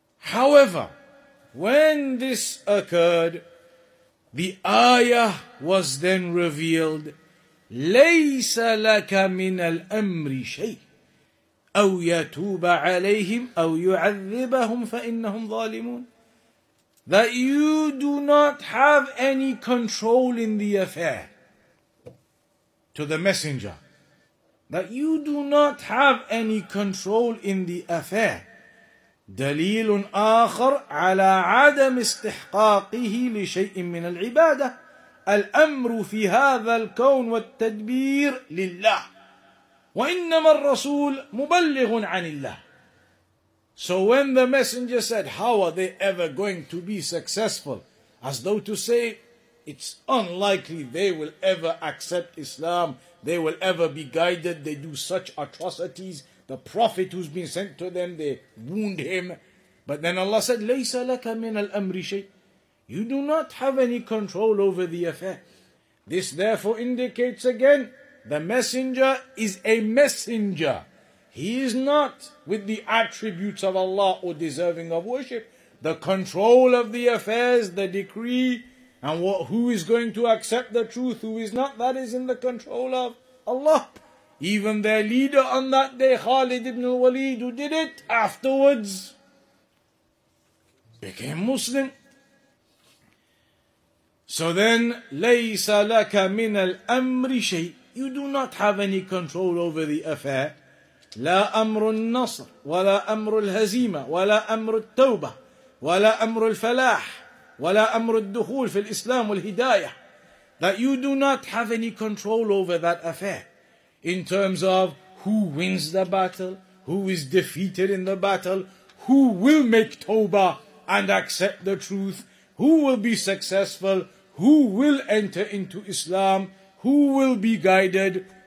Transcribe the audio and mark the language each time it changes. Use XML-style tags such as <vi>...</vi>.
<en>However, when this occurred, the ayah was then revealed,</en> <ar>لَيْسَ لَكَ مِنَ الْأَمْرِ شَيْءٍ أَوْ يَتُوبَ عَلَيْهِمْ أَوْ يُعَذِّبَهُمْ فَإِنَّهُمْ ظَالِمُونَ.</ar> <en>That you do not have any control in the affair to the messenger. That you do not have any control in the affair.</en> <ar>دليل آخر على عدم استحقاقه لشيء من العبادة. الأمر في هذا الكون والتدبير لله. وإنما الرسول مبلغ عن الله.</ar> <en>So when the messenger said, how are they ever going to be successful? As though to say, it's unlikely they will ever accept Islam. They will ever be guided. They do such atrocities. The prophet who's been sent to them, they wound him. But then Allah said,</en> <ar>لَيْسَ لَكَ مِنَ الْأَمْرِ شَيْءٍ.</ar> <en>You do not have any control over the affair. This therefore indicates again, the messenger is a messenger. He is not with the attributes of Allah or deserving of worship. The control of the affairs, the decree, and what, who is going to accept the truth, who is not, that is in the control of Allah. Even their leader on that day, Khalid ibn al-Walid, who did it afterwards, became Muslim. So then,</en> <ar>لَيْسَ لَكَ مِنَ الْأَمْرِ شَيْءٍ.</ar> <en>You do not have any control over the affair.</en> <ar>لا أمر النصر ولا أمر الهزيمة ولا أمر التوبة ولا أمر الفلاح ولا أمر الدخول في الإسلام والهداية.</ar> <en>That you do not have any control over that affair in terms of who wins the battle, who is defeated in the battle, who will make Tawbah and accept the truth, who will be successful, who will enter into Islam, who will be guided.</en>